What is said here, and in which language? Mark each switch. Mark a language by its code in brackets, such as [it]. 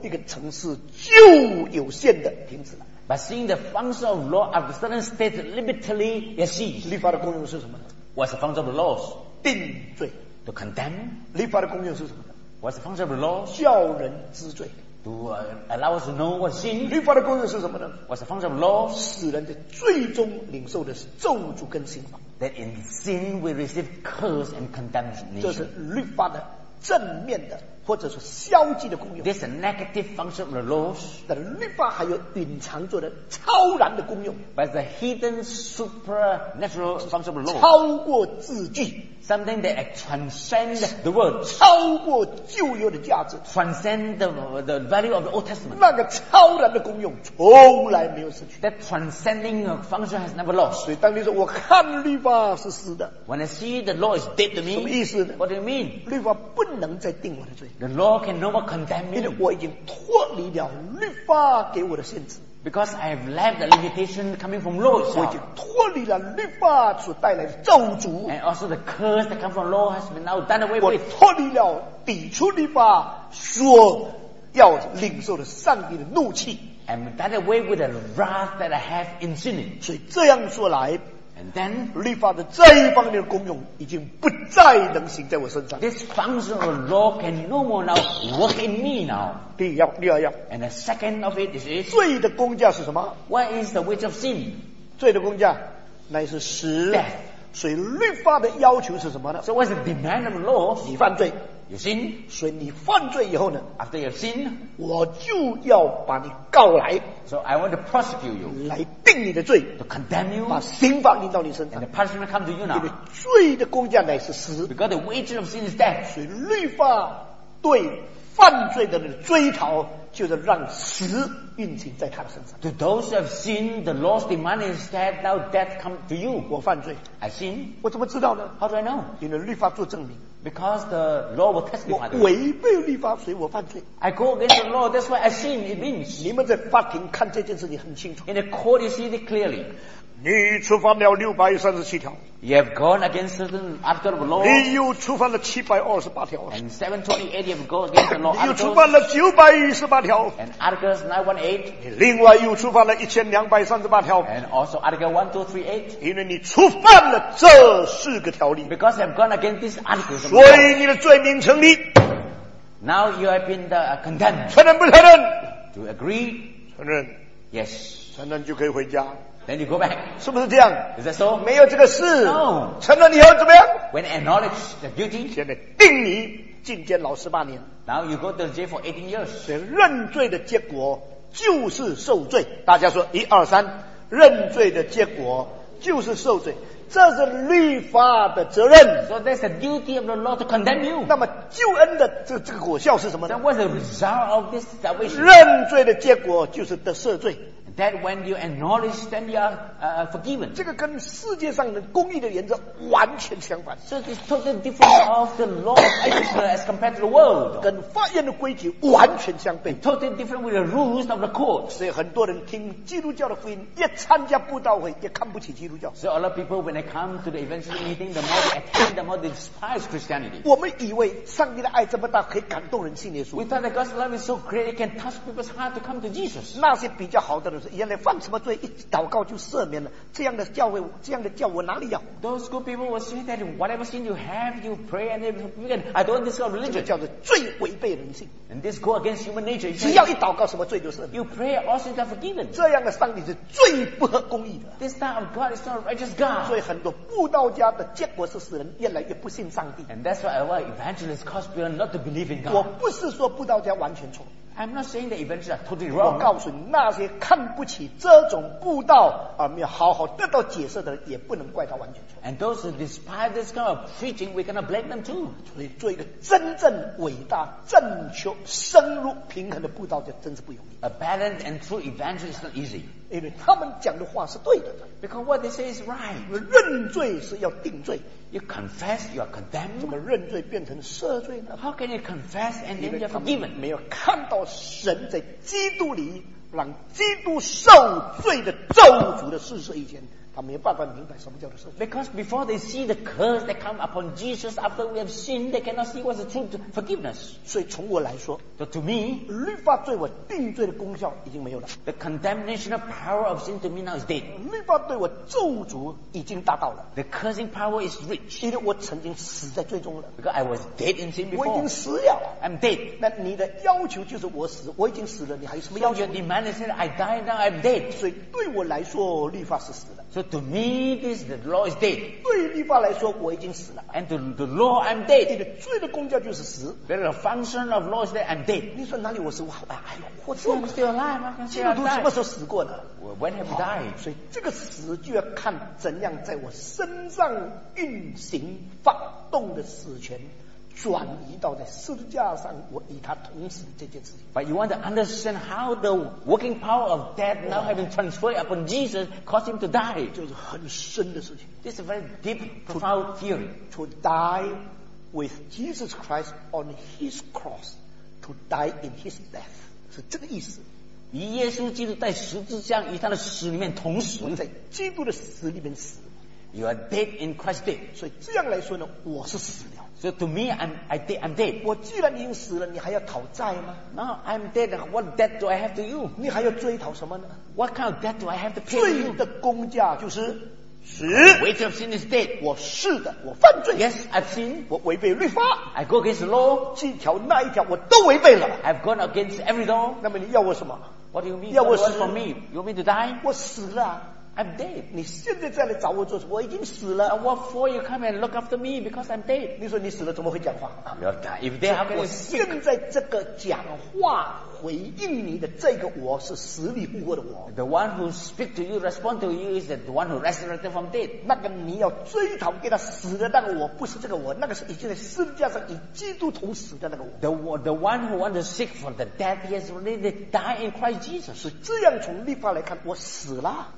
[zh] 给我们看见律法的功用到某一个层次就有限的停止了, [en] but seeing the function of law at a certain state limitedly, you see, [zh] 律法的功用是什么呢? [en] What's the function of the laws? [zh] 定罪, [en] to condemn. [zh] 律法的功用是什么呢? [en] What's the function of the law? [zh] 叫人知罪, [en] to allow us to know what sin. [zh] 律法的功用是什么呢? [en] What's the function of law? [zh] 使人的最终领受的是咒诅跟刑罚, [en] that in sin we receive curse and condemnation. [zh] 这是律法的正面的或者说消极的功用, [en] this is a negative function of the law. [zh] 但律法还有隐藏着的超然的功用, [en] but it's a hidden supernatural function of the law, [zh] 超过字句, [en] something that transcends the word, [zh] 超过旧约的价值, [en] transcend the value of the Old Testament. [zh] 那个超然的功用从来没有失去, [en] that transcending function has never lost. [zh] 所以当你说我看律法是死的, [en] when I see the law is dead to me, [zh] 什么意思呢? [en] What do you mean? [zh] 律法不能再定我的罪, [en] the law can no more condemn me, [zh] 因为我已经脱离了律法给我的限制, [en] because I have left the limitation coming from law itself. [zh] 我已经脱离了律法所带来的咒诅, [en] and also the curse that comes from law has been now done away with. [zh] 我脱离了抵触律法所要领受的上帝的怒气, [en] and done away with the wrath that I have in sin. [zh] 所以这样说来, [en] And then, [zh] 律法的这一方面的功用已经不再能行在我身上。 [en] This function of law can no more now work in me now. [zh] 第二要。 [en] And the second of it is, [zh] 罪的工价是什么？ [en] What is the wage of sin? [zh] 罪的工价乃是死。 [en] Death. [zh] 所以律法的要求是什么呢？ [en] So what's the demand of law? [zh] 你犯罪。 [en] You sin. [zh] 所以你犯罪以后呢？ [en] After you sin, [zh] 我就要把你告来。 [en] So I want to prosecute you. [zh] 来定你的罪。 [en] To condemn you. [zh] 把刑罚临到你身上。 [en] And the punishment come to you now. [zh] 因为罪的工价乃是死。 [en] Because the wages of sin is death. [zh] 所以律法对犯罪的人的追讨就是让死运行在他的身上。 [en] To those who have sinned, the law's demand is that now death come to you. [zh] 我犯罪。 [en] I sin. [zh] 我怎么知道呢？ [en] How do I know? [zh] 因为律法做证明。 [en] Because the law will testify. [zh] 我违背律法，所以我犯罪。 [en] I go against the law, that's why I sin. It means [zh] 你们在法庭看这件事情很清楚。 [en] In the court, you see it clearly. [zh] 你触犯了637条。 [en] You have gone against certain article of law. [zh] 你又触犯了728条。 [en] And 728, you have gone against the law. [zh] 你又触犯了918条。 [en] And articles 918. [zh] 你另外又触犯了1238条。 [en] And also article 1238. [zh] 因为你触犯了这四个条例。 [en] Because you have gone against this article. [zh] 所以你的罪名成立。 [en] Now you have been the, condemned. [zh] 承认不承认？ [en] Do you agree? [zh] 承认。 [en] Yes. [zh] 承认就可以回家。 [en] Then you go back. [zh] 是不是这样？ [en] Is that so? [zh] 没有这个事。 [en] No. [zh] 承认以后怎么样？ [en] When acknowledge the guilty. [zh] 现在定你进监牢18年。 [en] Now you go to jail for 18 years. [zh] 所以认罪的结果就是受罪。大家说一二三，认罪的结果就是受罪。这是律法的责任。 [en] So that's the duty of the law to condemn you. [zh] 那么救恩的这个果效是什么呢？ [en] Then what's the result of this salvation? [zh] 认罪的结果就是得赦罪。 [en] That when you acknowledge, then you are forgiven. [zh] 这个跟世界上的公义的原则完全相反。 [en] So it's totally different of the law of righteousness as compared to the world. [zh] 跟法院的规矩完全相悖。 [en] And totally different with the rules of the court. [zh] 所以很多人听基督教的福音，越参加布道会，越看不起基督教。 [en] So a lot of people when they come to the evangelist meeting, the more they attend, the more they despise Christianity. [zh] 我们以为上帝的爱这么大，可以感动人信耶稣。 [en] We thought that God's love is so great, it can touch people's heart to come to Jesus. [zh] 那些比较好的人。原来犯什么罪一祷告就赦免了，这样的教会，这样的教我哪里要？ [en] Those good people will say that whatever sin you have, you pray and it's forgiven. I don't deserve religion. [zh] 叫做罪违背人性。 [en] And this go against human nature. [zh] 只要一祷告，什么罪都赦免。 [en] You pray, all sins are forgiven. [zh] 这样的上帝是最不合公义的。 [en] This kind of God is not a righteous God. [zh] 所以很多布道家的结果是使人越来越不信上帝。 [en] And that's why a lot of evangelists cause people not to believe in God. [zh] 我不是说布道家完全错。 [en] I'm not saying the events are totally wrong. [zh] 我告诉你，那些看不起这种布道而没有好好得到解释的人，也不能怪他完全错。 [en] And those who despise this kind of preaching, we cannot blame them too. [zh] 所以做一个真正伟大、正确、深入、平衡的布道家，真是不容易。 [en] A balanced and true evangelist is not easy. [zh] 因为他们讲的话是对的。 [en] Because what they say is right. [zh] 认罪是要定罪。 [en] You confess, you are condemned. [zh] 怎么认罪变成赦罪呢？ [en] How can you confess and then you're forgiven? [zh] 没有看到神在基督里让基督受罪的咒诅的事实以前，他没有办法明白什么叫做赦罪。 [en] Because before they see the curse that come upon Jesus after we have sinned, they cannot see what's the true forgiveness. [zh] 所以从我来说 [en] so, to me, [zh] 律法对我定罪的功效已经没有了。 [en] The condemnation of power of sin to me now is dead. [zh] 律法对我咒诅已经达到了。 [en] The cursing power is rich. [zh] 因为我曾经死在罪中了。 [en] Because I was dead in sin before. [zh] 我已经死了。 [en] I'm dead. [zh] 那你的要求就是我死，我已经死了，你还有什么要求？ [en] So your demand is that I die now, I'm dead. [zh] 所以对我来说，律法是死的。 [en] So to me, this the law is dead. [zh] 对律法来说，我已经死了。 [en] And to the law, I'm dead. [zh] 你的罪的工价就是死。 [en] But the function of law is that I'm dead. [zh] 你说哪里我是我？哎呀，我死了。 [en] Still alive? [zh] 基督徒什么时候死过呢？ [en] When have you died? [zh] 所以这个死就要看怎样在我身上运行发动的死权。转移到在十字架上，我与他同死这件事情。 [en] But you want to understand how the working power of death now having transferred upon Jesus caused him to die. [zh] 就是很深的事情。 [en] This is a very deep, profound theory. To die with Jesus Christ on His cross, to die in His death, [zh] 是这个意思。与耶稣基督在十字架与他的死里面同死。在基督的死里面死。 [en] You are dead in Christ's death. [zh] 所以这样来说呢，我是死了。 [en] So to me, I'm dead. [zh] 我既然已经死了，你还要讨债吗？ [en] No, I'm dead. What debt do I have to you? [zh] 你还要追讨什么呢？ [en] What kind of debt do I have to pay you? [zh] 罪的工价就是是。 [en] The wage of sin is dead. [zh] 我是的，我犯罪。 [en] Yes, I've sinned. [zh] 我违背律法。 [en] I go against the law. [zh] 这条那一条我都违背了。 [en] I've gone against every law. [zh] 那么你要我什么？ [en] What do you mean? [zh] 要我死？ [en] What for me? You want me to die? [zh] 我死了。 [en] I'm dead. [zh] 你现在再来找我做什么？我已经死了。 [en] And what for you come and look after me? Because I'm dead. [zh] 你说你死了怎么会讲话？ [en] You're dead. If they have a sick. [zh] 我现在这个讲话回应你的这个我是死里复活的我。 [en] The one who speak to you, respond to you is the one who resurrected from dead. [zh] 那个你要追讨给他死的那个我不是这个我，那个是已经在十字架上与基督同死的那个我。 [en] The one who wants to seek for the dead, he has already died in Christ Jesus. [zh] 是这样从律法来看，我死了。